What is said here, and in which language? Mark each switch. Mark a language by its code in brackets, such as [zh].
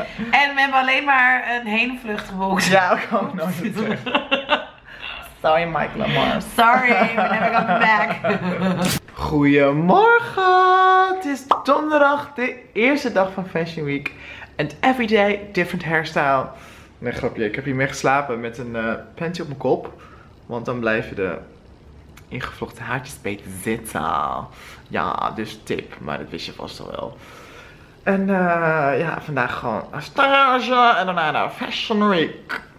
[nl] En we hebben alleen maar een heenvlucht geboekt. Ja, we komen nooit meer terug. Sorry, Michael Lamar. [en] Sorry, we never got back. [nl] Goedemorgen! Het is donderdag, de eerste dag van Fashion Week. [en] And every day, different hairstyle. [nl] Nee, grapje, ik heb hiermee geslapen met een panty op mijn kop. Want dan blijven de ingevlochten haartjes beter zitten. Ja, dus tip, maar dat wist je vast al wel. En ja, vandaag gewoon een stage en daarna naar Fashion Week.